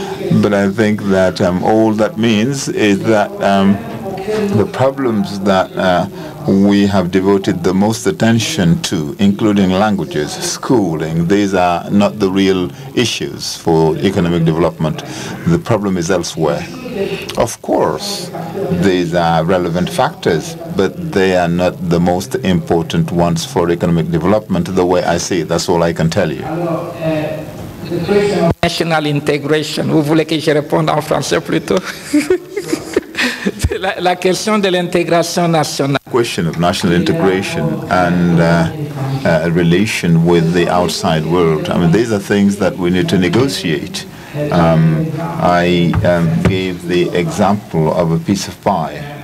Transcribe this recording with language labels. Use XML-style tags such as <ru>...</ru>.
<en>But I think that all that means is that the problems that we have devoted the most attention to, including languages, schooling, these are not the real issues for economic development. The problem is elsewhere. Of course, these are relevant factors, but they are not the most important ones for economic development, the way I see it. That's all I can tell you. National integration.</en> <fr>Vous voulez que je réponde en français plutôt? La question de l'intégration nationale.</fr> <en>Question of national integration and relation with the outside world. I mean, these are things that we need to negotiate. I gave the example of a piece of pie.</en>